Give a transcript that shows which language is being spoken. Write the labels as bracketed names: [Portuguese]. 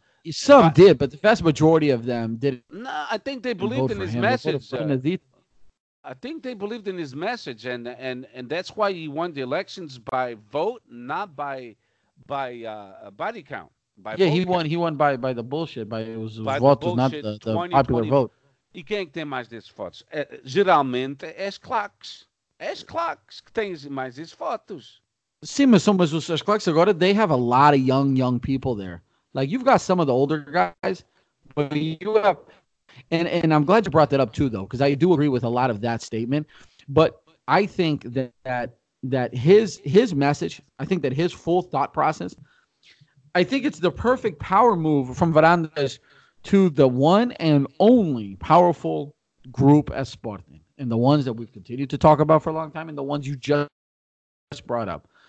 [English] some did, but the vast majority of them didn't. No, I think they believed in his message. I think they believed in his message, and that's why he won the elections by vote, not by body count. Yeah, he won. He won by the bullshit. By votos, the bullshit, not the popular vote. [Portuguese] E quem é que tem mais desses votos? Geralmente é as Claques. As Claques tem mais esforços. Sim, mas as Claques agora, [English] they have a lot of young people there. Like, you've got some of the older guys, but you have... And I'm glad you brought that up, too, though, because I do agree with a lot of that statement. But I think that his message, I think that his full thought process, I think it's the perfect power move from Varandas to the one and only powerful group at Sporting, and the ones that we've continued to talk about for a long time, and the ones you just brought up.